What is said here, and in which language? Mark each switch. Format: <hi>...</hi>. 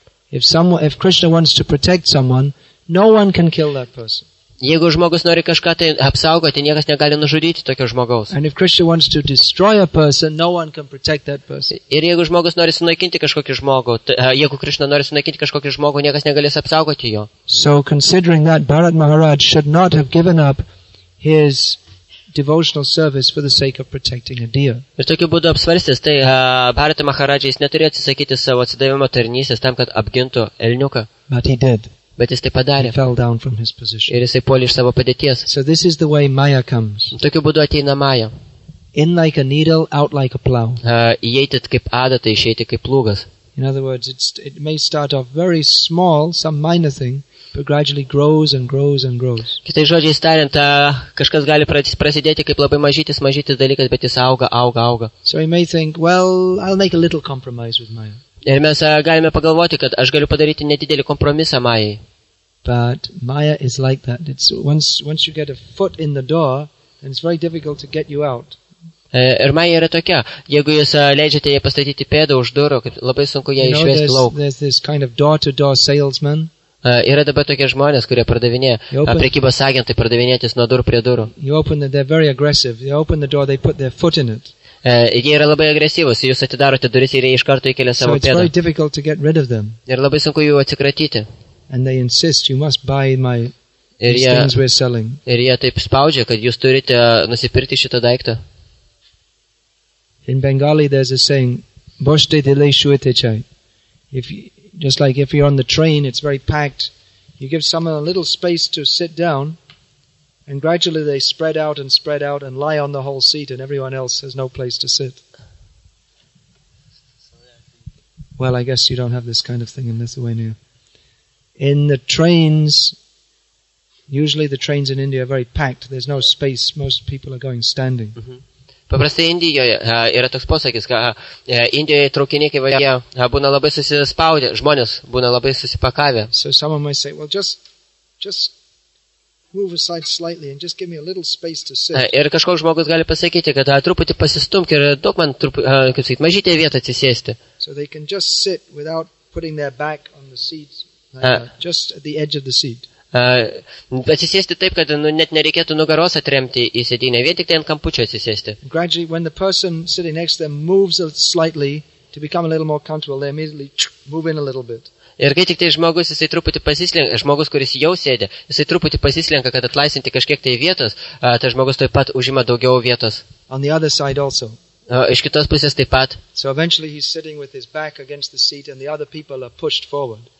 <en>If Krishna wants to protect someone, no one can kill that person.</en> <lt>Jeigu žmogus nori kažką tai apsaugoti, niekas negali nužudyti tokio žmogaus.</lt> <en>And if Krishna wants to destroy a person, no one can protect that person.</en> <lt>Ir jeigu žmogus nori sunaikinti kažkokį žmogų, jeigu Krishna nori sunaikinti kažkokį žmogų, niekas negalės apsaugoti jo.</lt> <en>So considering that, Bharata Maharaj should not have given up his devotional service for the sake of protecting a deer.</en> <lt>Ir tokiu būdu apsvarstęs, tai Bharata Maharaj jis neturėjo atsisakyti savo atsidavimo tarnystės tam, kad apgintų elniuką.</lt> <en>But he did.</en> <lt>Bet jis tai padarė.</lt> <en>He fell down from his position.</en> <lt>Ir jisai puolė iš savo padėties.</lt> <en>So this is the way Maya comes.</en> <lt>Tokiu būdu ateina Maya.</lt> <en>In like a needle, out like a plow.</en> <lt>Įeiti kaip adata, išeiti kaip plūgas.</lt> <en>In other words, it may start off very small, some minor thing, but gradually grows and grows and grows.</en> <lt>Kitai žodžiai tariant, kažkas gali prasidėti kaip labai mažytis dalykas, bet jis auga.</lt> <en>So you may think, well, I'll make a little compromise with Maya.</en> <lt>Ir mes galime pagalvoti, kad aš galiu padaryti nedidelį kompromisą Majai.</lt> <en>But Maya is like that. It's once you get a foot in the door, then it's very difficult to get you out.</en> <lt>Ir Maya yra tokia, jeigu jūs leidžiate jai pastatyti pėdą už durų, kad labai sunku ją išvesti lauk.</lt> <en>There's this kind of door-to-door salesman.</en> <lt>Yra dabar tokie žmonės, kurie pardavinėja, prekybos agentai pardavinėjantis nuo durų prie durų.</lt> <en>You open the door, they're very aggressive. They open the door, they put their foot in it.</en> <lt>Jie yra labai agresyvūs, jūs atidarote duris ir jie iš karto įkelia savo pėdą.</lt> <en>So it's very difficult to get rid of them.</en> <lt>Ir labai sunku jų atsikratyti.</lt> <en>And they insist, you must buy my things we're selling.</en> <lt>Ir jie taip spaudžia, kad jūs turite nusipirkti šitą daiktą.</lt> <en>In Bengali there's a saying,</en> <bn>Boshte dile shuete chai.</bn> <en>Just like if you're on the train, it's very packed, you give someone a little space to sit down, and gradually they spread out and lie on the whole seat and everyone else has no place to sit. Well, I guess you don't have this kind of thing in Lithuania. In the trains, usually the trains in India are very packed. There's no space. Most people are going standing.</en> <lt>Paprastai Indijoje yra toks posakis, kad Indijoje traukiniai, kai būna labai susispaudę, žmonės būna labai susipakavę.</lt> <en>So someone might say, well, just move aside slightly and just give me a little space to sit.</en> <lt>Ir kažkoks žmogus gali pasakyti, kad truputį pasistumk ir duok man kaip sakyt, mažytę vietą atsisėsti.</lt> <en>So they can just sit without putting their back on the seat, just at the edge of the seat.</en> <lt>Atsisėsti taip, kad net nereikėtų nugaros atremti į sėdynę, vien tik tai ant kampučio atsisėsti.</lt> <en>Gradually, when the person sitting next to them moves slightly to become a little more comfortable, they immediately move in a little bit.</en> <lt>Ir kai tik tai žmogus, jisai truputį pasislenka, žmogus, kuris jau sėdė, jisai truputį pasislenka, kad atlaisinti kažkiek tai vietos, tai žmogus taip pat užima daugiau vietos.</lt> <en>On the other side also.</en> <lt>Iš kitos pusės taip pat.</lt> <en>So eventually he's sitting with his back against the seat and the other people are pushed forward.</en>